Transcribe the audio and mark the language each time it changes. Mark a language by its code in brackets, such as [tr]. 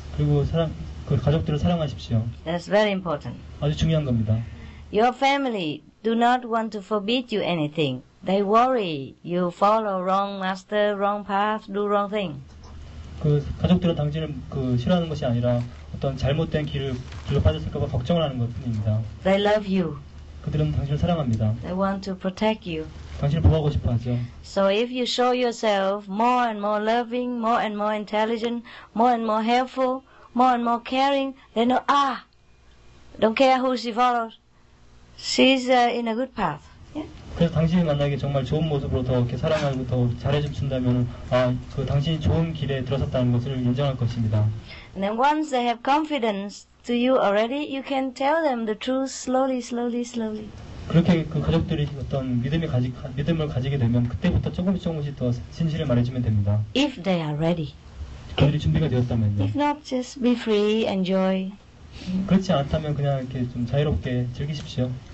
[ko] 그리고 사랑, 그 가족들을 사랑하십시오. [en] That's very important. [ko] 아주 중요한 겁니다. [en] Your family do not want to forbid you anything. They worry you follow wrong master, wrong path, do wrong thing. [ko] 그 가족들은 당신을 그 싫어하는 것이 아니라 어떤 잘못된 길로 빠졌을까봐 걱정을 하는 것뿐입니다. [en] They love you. [ko] 그들은 당신을 사랑합니다. [en] They want to protect you. [ko] 당신을 보호하고 싶어하죠. [en] So if you show yourself more and more loving, more and more intelligent, more and more helpful, more and more caring, they know don't care who she follows. She's in a good path. [ko] 그래서 당신이 만나기 정말 좋은 모습으로 더 이렇게 사랑하고 더 잘해준다면 그 당신이 좋은 길에 들어섰다는 것을 인정할 것입니다. [en] And then once they have confidence to you already, you can tell them the truth slowly, slowly, slowly. [ko] 그렇게 그 가족들이 어떤 믿음을 가지게 되면 그때부터 조금씩 조금씩 더 진실을 말해주면 됩니다. [en] If they are ready. [ko] 그들이 준비가 되었다면요. [en] If not, just be free, enjoy. [ko] 그렇지 않다면 그냥 이렇게 좀 자유롭게 즐기십시오.